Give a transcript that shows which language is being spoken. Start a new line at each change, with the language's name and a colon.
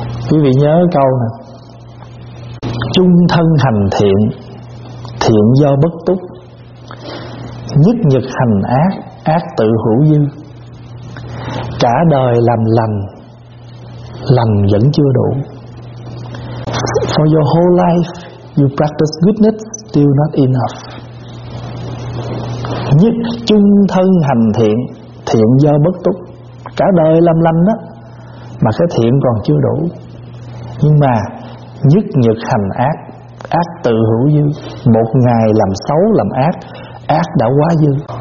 Vietnamese: Quý vị nhớ câu này: chung thân hành thiện, thiện do bất túc, nhất nhật hành ác, ác tự hữu dư. Cả đời làm lành, lành vẫn chưa đủ.
English: For your whole life you practice goodness, still not enough.
Vietnamese: Nhất chung thân hành thiện, thiện do bất túc, cả đời làm lành đó mà cái thiện còn chưa đủ. Nhưng mà nhất nhật hành ác, ác tự hữu dư. Một ngày làm xấu làm ác, ác đã quá dư.